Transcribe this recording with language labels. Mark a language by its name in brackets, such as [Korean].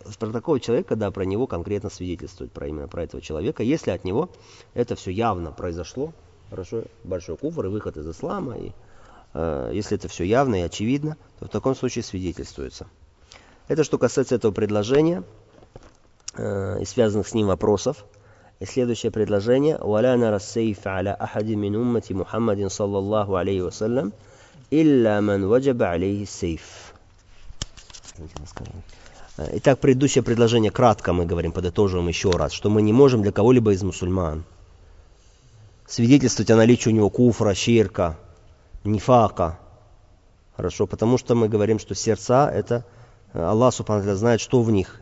[Russian] Про такого человека, да, про него конкретно свидетельствует, про именно про этого человека, если от него это все явно произошло, хорошо, большой куфр и выход из ислама, и если это все явно и очевидно, то в таком случае свидетельствуется. Это что касается этого предложения и связанных с ним вопросов. И следующее предложение: [Arabic] وَلَا نَرَى السَّيْفَ عَلَى أَحَدٍ مِنْ أُمَّةِ مُحَمَّدٍ صَلَّى اللَّهُ عَلَيْهِ وَسَلَّمَ إِلَّا مَنْ وَجَبَ عَلَيْهِ السَّيْفَ. [Russian] Итак, предыдущее предложение кратко мы говорим, подытоживаем еще раз, что мы не можем для кого-либо из мусульман свидетельствовать о наличии у него куфра, ширка, нифака. Хорошо, потому что мы говорим, что сердца это Аллах Субхану Тааля знает, что в них.